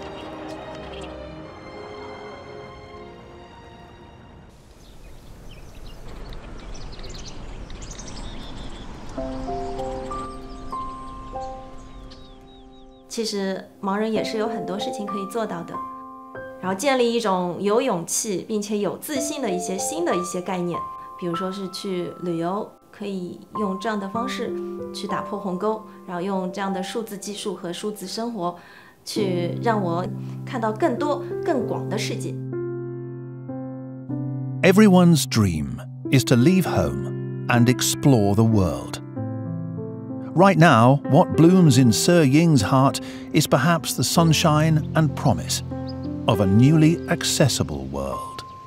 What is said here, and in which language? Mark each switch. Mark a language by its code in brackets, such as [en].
[en] Actually, there are many things you can do. [zh] 然后建立一种有勇气并且有自信的一些新的一些概念，比如说是去旅游，可以用这样的方式去打破鸿沟，然后用这样的数字技术和数字生活去让我看到更多更广的世界。 [en] Everyone's dream is to leave home and explore the world. Right now, what blooms in Sir Ying's heart is perhaps the sunshine and promiseof a newly accessible world.